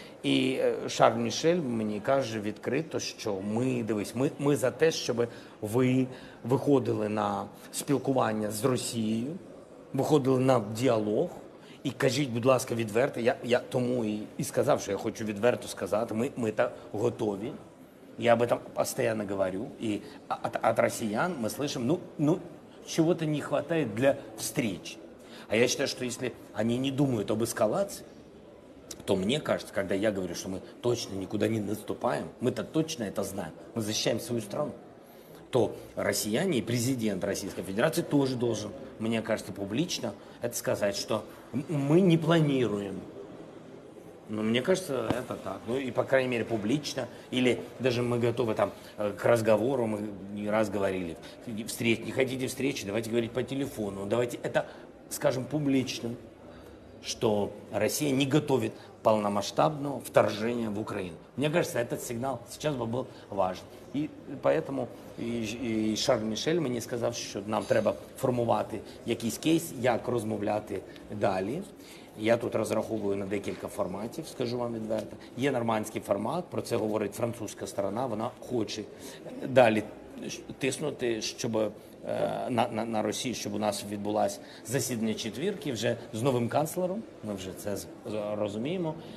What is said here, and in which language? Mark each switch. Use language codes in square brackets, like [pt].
[uk] І Шарль Мішель мені каже відкрито, що ми за те, щоб ви виходили на спілкування з Росією, виходили на діалог. І кажіть, будь ласка, відверто, я тому і сказав, що я хочу відверто сказати, ми так готові. [ru] Я об этом постоянно говорю, и от россиян мы слышим, ну чего-то не хватает для встреч. А я считаю, что если они не думают об эскалации, то мне кажется, когда я говорю, что мы точно никуда не наступаем, мы-то точно это знаем, мы защищаем свою страну, то россияне и президент Российской Федерации тоже должен, мне кажется, публично это сказать, что мы не планируем. Ну, мне кажется, это так. Ну, и, по крайней мере, публично. Или даже мы готовы там к разговору, мы не раз говорили. Встреч, не хотите встречи, давайте говорить по телефону. Давайте это скажем публично. что Россия не готовит полномасштабного вторжения в Украину. Мне кажется, этот сигнал сейчас бы был важен. И поэтому и [uk] Шарль Мішель мені сказав, що нам треба формувати якийсь кейс, як розмовляти далі. Я тут розраховую на декілька форматів, скажу вам відверто. Є нормандський формат, про це говорить французька сторона, вона хоче далі тиснути, щоб на Росію, щоб у нас відбулось засідання четвірки вже з новим канцлером, ми вже це розуміємо.